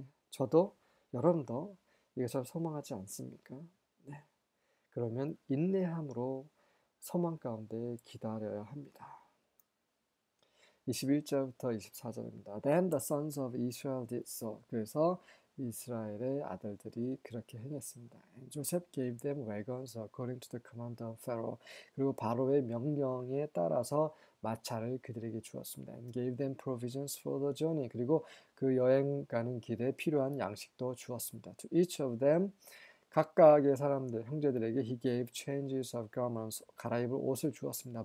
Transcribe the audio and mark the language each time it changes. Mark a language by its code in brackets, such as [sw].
[ko] 저도 여러분도 이것을 소망하지 않습니까? 그러면 인내함으로 소망 가운데 기다려야 합니다. 21절부터 24절입니다. [en] Then the sons of Israel did so. [ko] 그래서 이스라엘의 아들들이 그렇게 행했습니다. [en] And Joseph gave them wagons according to the command of Pharaoh. [ko] 그리고 바로의 명령에 따라서 마차를 그들에게 주었습니다. [en] And gave them provisions for the journey. [ko] 그리고 그 여행 가는 길에 필요한 양식도 주었습니다. [en] To each of them, [ko] 각각의 사람들, 형제들에게 [en] he gave changes of garments, [ko] 갈아입을 옷을 주었습니다.